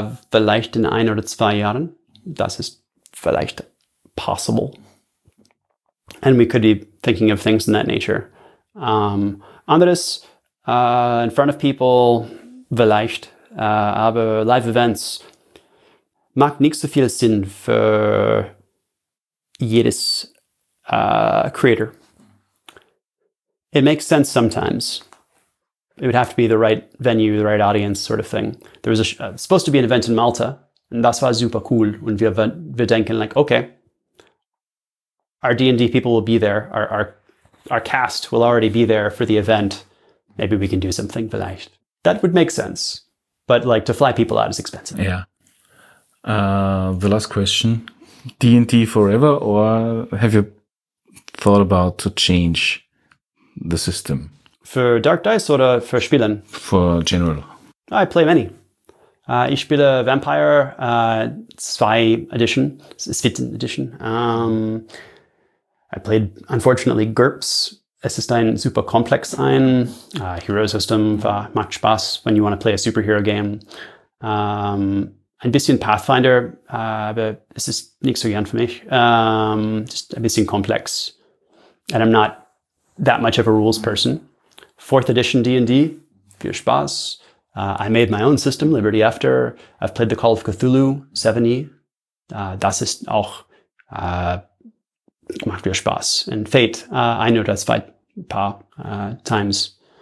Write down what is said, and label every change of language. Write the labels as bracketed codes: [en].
[de] Vielleicht in ein oder zwei Jahren. Das ist vielleicht [en] possible. And we could be thinking of things in that nature. Anderes, in front of people, vielleicht. [de] Aber live events mag nicht so viel Sinn für jedes creator. [en] It makes sense sometimes. It would have to be the right venue, the right audience sort of thing. There was supposed to be an event in Malta, and [de] das war super cool. Und wir denken [en] like, okay, our D&D people will be there. Our cast will already be there for the event. Maybe we can do something vielleicht. That would make sense. But like to fly people out is expensive. Yeah. The last question. D&D forever, or have you thought about to change the system? For Dark Dice or for Spielen? For general. I play many. [de] Ich spiele Vampire 2 edition. Svitten edition. [en] I played, unfortunately, GURPS. [de] Es ist ein super komplex ein. Hero System war, macht Spaß, [en] when you want to play a superhero game. [de] Ein bisschen Pathfinder, aber es ist nicht so gern für mich. Just ein bisschen komplex. [en] And I'm not that much of a rules person. Fourth edition D&D, [de] viel Spaß. [en] I made my own system, Liberty After. I've played the Call of Cthulhu, 7e. [de] Das ist auch... macht mir Spaß. [en] And Fate, I know that's quite a paar times.